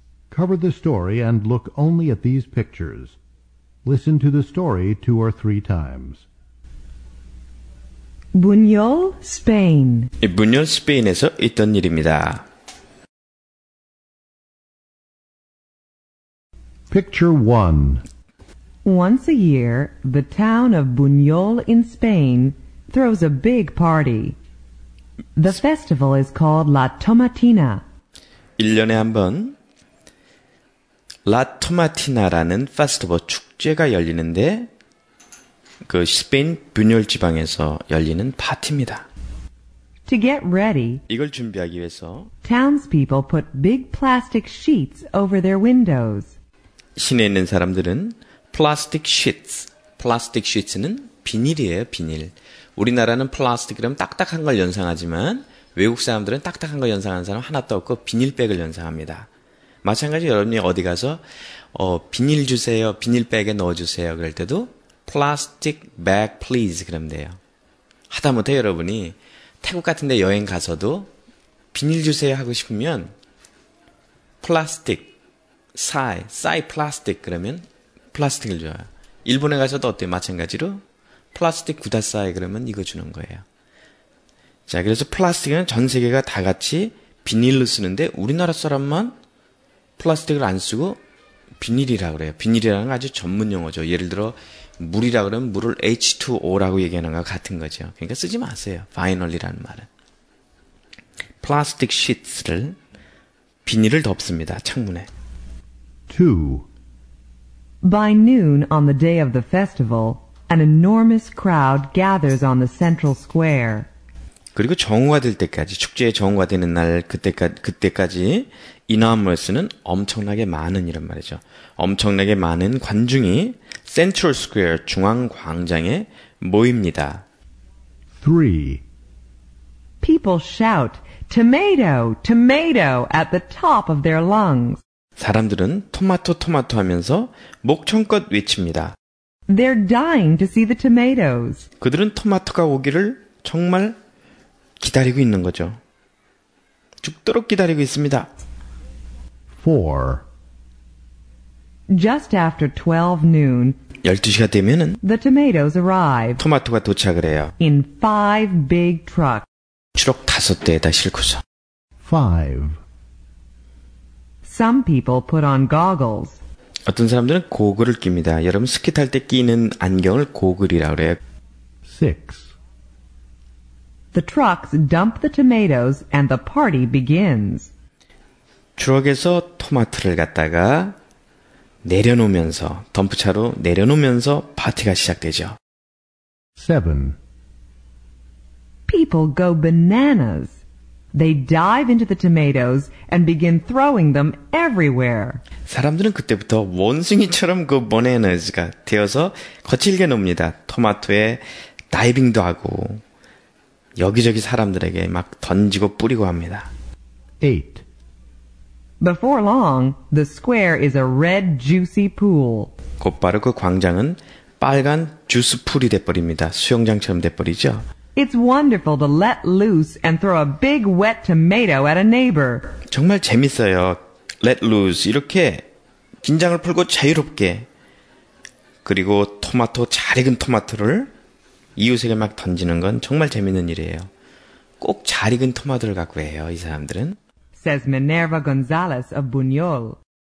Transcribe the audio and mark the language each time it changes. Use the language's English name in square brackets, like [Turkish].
[English] Cover the story and look only at these pictures. Listen to the story two or three times. Buñol, Spain. [Korean] 이 Buñol, Spain에서 있던 일입니다. [English] Picture 1. Once a year, the town of Buñol in Spain throws a big party. The festival is called La Tomatina. [Korean] 1년에 한 번 La Tomatina라는 festival 축제가 열리는데 그 스페인 Buñol 지방에서 열리는 파티입니다. [English] To get ready, [Korean] 이걸 준비하기 위해서 [English] townspeople put big plastic sheets over their windows. [Korean] 시내에 있는 사람들은 plastic sheets. plastic sheets는 비닐이에요, 비닐. 우리나라는 plastic 이러면 딱딱한 걸 연상하지만 외국 사람들은 딱딱한 걸 연상하는 사람 하나도 없고 비닐백을 연상합니다. 마찬가지로 여러분이 어디 가서 비닐 주세요, 비닐백에 넣어주세요 그럴 때도 [English] plastic bag please [Korean] 그러면 돼요. 하다못해 여러분이 태국 같은 데 여행 가서도 비닐 주세요 하고 싶으면 plastic [Thai] 싸이, [Korean] 싸이 플라스틱 그러면 플라스틱을 줘요. 일본에 가서도 어때요? 마찬가지로 플라스틱 [Japanese] 구다싸이 [Korean] 그러면 이거 주는 거예요. 자, 그래서 플라스틱은 전 세계가 다 같이 비닐로 쓰는데 우리나라 사람만 플라스틱을 안 쓰고 비닐이라 그래요. 비닐이라는 건 아주 전문 용어죠. 예를 들어 물이라 그러면 물을 H2O라고 얘기하는 거 같은 거죠. 그러니까 쓰지 마세요. 파이널리라는 말은 플라스틱 시트를 비닐을 덮습니다. 창문에. 2. [English] By noon on the day of the festival, an enormous crowd gathers on the central square. [Korean] 그리고 정오가 될 때까지, 축제의 정오가 되는 날 그때까지 enormous는 엄청나게 많은 이런 말이죠. 엄청나게 많은 관중이 central square, 중앙광장에 모입니다. 3. [English] People shout, tomato, tomato at the top of their lungs. [Korean] 사람들은 토마토 토마토 하면서 목청껏 외칩니다. [English] They're dying to see the tomatoes. [Korean] 그들은 토마토가 오기를 정말 기다리고 있는 거죠. 죽도록 기다리고 있습니다. 4. [English] Just after 12 noon. [Korean] 12시가 되면은 [English] the tomatoes arrive. [Korean] 토마토가 도착을 해요. [English] In 5 big trucks. [Korean] 트럭 다섯 대에다 실고서. 5. [English] Some people put on goggles. [Korean] 어떤 사람들은 고글을 낍니다. 여러분 스키 탈 때 끼는 안경을 고글이라고 그래요. 6. [English] The trucks dump the tomatoes and the party begins. [Korean] 트럭에서 토마토를 갖다가 내려놓으면서 덤프차로 내려놓으면서 파티가 시작되죠. 7. [English] People go bananas. They dive into the tomatoes and begin throwing them everywhere. [Korean] 사람들은 그때부터 원숭이처럼 그 bananas가 되어서 거칠게 놉니다. 토마토에 다이빙도 하고 여기저기 사람들에게 막 던지고 뿌리고 합니다. 8. [English] Before long, the square is a red juicy pool. [Korean] 곧바로 그 광장은 빨간 주스 풀이 돼버립니다. 수영장처럼 돼버리죠. [English] It's wonderful to let loose and throw a big wet tomato at a neighbor. [Korean] 정말 재밌어요. Let loose 이렇게 긴장을 풀고 자유롭게 그리고 토마토 잘 익은 토마토를 이웃에게 막 던지는 건 정말 재밌는 일이에요. 꼭 잘 익은 토마토를 갖고 해요. 이 사람들은. [English] Says Minerva Gonzalez of Buñol.